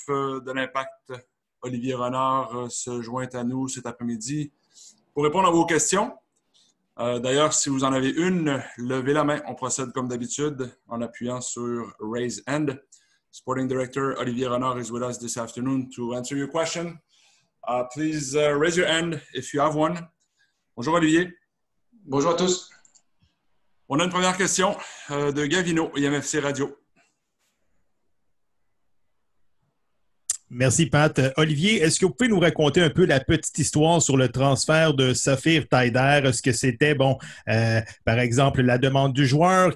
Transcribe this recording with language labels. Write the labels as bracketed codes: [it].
[fr] de l'Impact, Olivier Renard, se joint à nous cet après-midi pour répondre à vos questions. D'ailleurs, si vous en avez une, levez la main. On procède comme d'habitude en appuyant sur Raise Hand. [en] Sporting Director Olivier Renard is with us this afternoon to answer your question. Please raise your hand if you have one. [fr] Bonjour Olivier. Bonjour à tous. On a une première question de Gavino, IMFC Radio. Merci, Pat. Olivier, est-ce que vous pouvez nous raconter un peu la petite histoire sur le transfert de Saphir Taider? Est-ce que c'était, bon, par exemple, la demande du joueur?